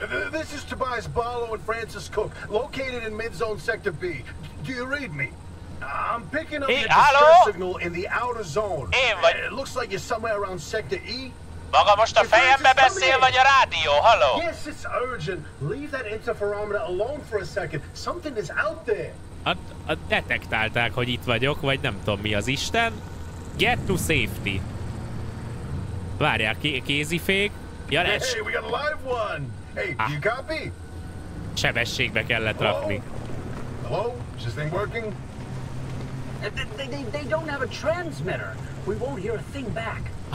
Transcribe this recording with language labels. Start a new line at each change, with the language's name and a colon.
English: This is Tobias Barlow and Francis Cook, located in mid-zone sector B. Do you read me? I'm picking up the distress signal in the outer zone.
Hungarian: Én vagy.
English: It looks like you're somewhere around sector E.
Hungarian: Maga most a fejembe beszél, vagy a rádió? Halló?
English: Yes, it's urgent. Leave that interferometer alone for a second. Something is out there.
Hungarian: A detektálták, hogy itt vagyok, vagy nem tudom mi az Isten.
English: Get to safety.
Hungarian: Várjál, kézifék. Ja, lesz.
English: Hey, we got a live one. Hey, you copy?
Hungarian: Sebességbe kellett rakni.
English: Hello? Is this thing working? They don't have a transmitter. We won't hear a thing back.